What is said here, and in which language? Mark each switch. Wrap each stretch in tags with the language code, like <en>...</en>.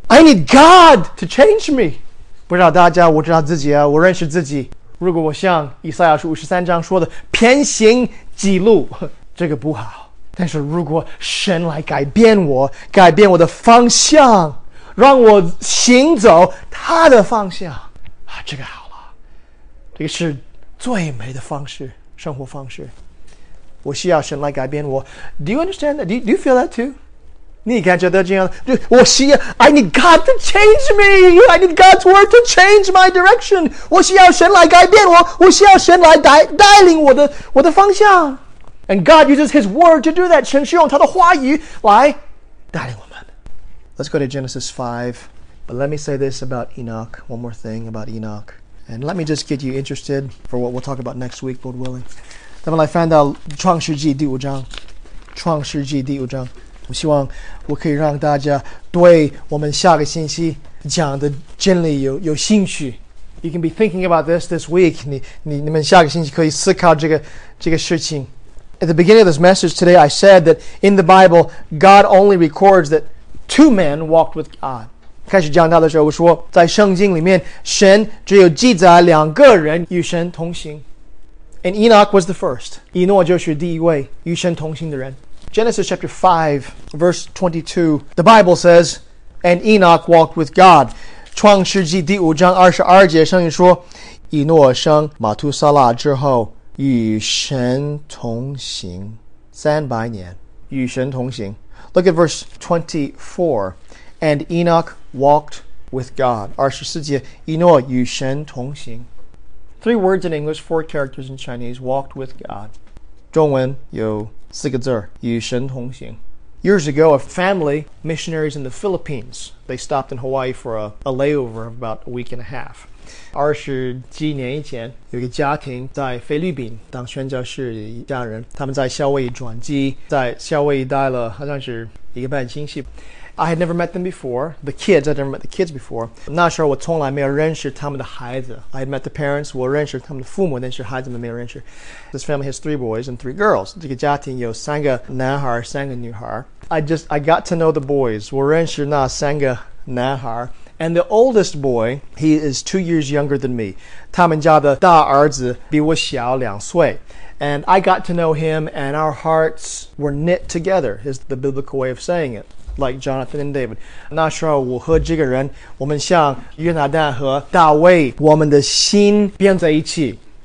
<en>I need God to change me.</en> <zh>不知道大家，我知道自己啊，我认识自己。如果我像以赛亚书五十三章说的偏行己路，这个不好。但是如果神来改变我，改变我的方向，让我行走他的方向，这个好了。这个是最美的方式，生活方式。我需要神来改变我。</zh> <en>Do you understand that? Do you feel that too?</en> <zh>你感觉到这样？我需要</zh> <en>I need God to change me. I need God's word to change my direction.</en> <zh>我需要神来改变我。我需要神来带领我的方向。</zh> <en>And God uses His word to do that.</en> <zh>神使用他的话语来带领我们。</zh> <en>Let's go to Genesis 5. But let me say this about Enoch. One more thing about Enoch. And let me just get you interested for what we'll talk about next week, Lord willing.</en> <zh>咱们来翻到创世纪第五章。创世纪第五章。我希望我可以让大家对我们下个星期讲的真理 有兴趣。</zh> <en>You can be thinking about this week.</en> <zh>你们下个星期可以思考这个事情。</zh> <en>At the beginning of this message today, I said that in the Bible, God only records that two men walked with God.</en> <zh>开始讲到的时候我说在圣经里面神只有记载两个人与神同行。</zh> <en>And Enoch was the first.</en> <zh>以诺就是第一位与神同行的人。</zh> <en>Genesis chapter 5, verse 22. The Bible says, And Enoch walked with God.</en> <zh>创世纪第五章二十二节圣经说，以诺生马图撒拉之后，与神同行三百年。与神同行。</zh> <en>Look at verse 24. And Enoch walked with God.</en> <zh>二十四节，以诺与神同行。</zh> <en>Three words in English, four characters in Chinese, walked with God.</en> <zh>中文有四个字与神同行。</zh> <en>Years ago, a family, missionaries in the Philippines, they stopped in Hawaii for a layover of about a week and a half.</en> <zh>二十几年以前，有个家庭在菲律宾当宣教士的家人，他们在夏威夷转机，在夏威夷待了好像是一个半星期。</zh> <en>I had never met them before. The kids, I'd never met the kids before.</en> <zh>那时候我从来没有认识他们的孩子。</zh> <en>I had met the parents,</en> <zh>我认识他们的父母，但是孩子们没有认识。</zh> <en>This family has three boys and three girls.</en> <zh>这个家庭有三个男孩，三个女孩。</zh> <en>I got to know the boys.</en> <zh>我认识那三个男孩。</zh> <en>And the oldest boy, he is 2 years younger than me.</en> <zh>他们家的大儿子比我小两岁。</zh> <en>And I got to know him, and our hearts were knit together, is the biblical way of saying it. like Jonathan and David.</en> <zh>那时候我和这个人，我们像约拿丹和大卫，我们的心变在一起。</zh>